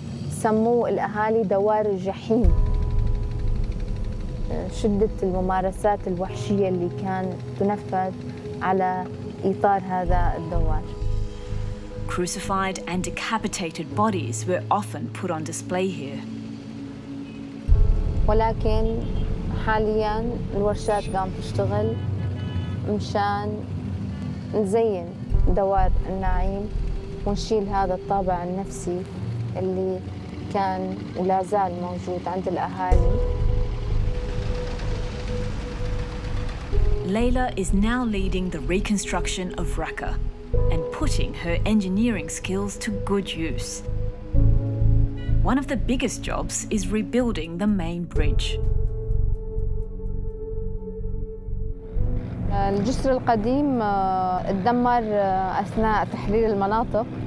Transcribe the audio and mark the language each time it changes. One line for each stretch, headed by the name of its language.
Arabic: سموا الأهالي دوار الجحيم شدة الممارسات الوحشية اللي كان تنفذ على إطار هذا الدوار.
English: Crucified and decapitated bodies were often put on display here.
Arabic: ولكن حاليا الورشات قام تشتغل مشان نزين دوار النعيم ونشيل هذا الطابع النفسي اللي كان ولا زال موجود عند الأهالي.
English: Leila is now leading the reconstruction of Raqqa and putting her engineering skills to good use. One of the biggest jobs is rebuilding the main bridge.
Arabic: الجسر القديم اتدمر أثناء تحرير المناطق.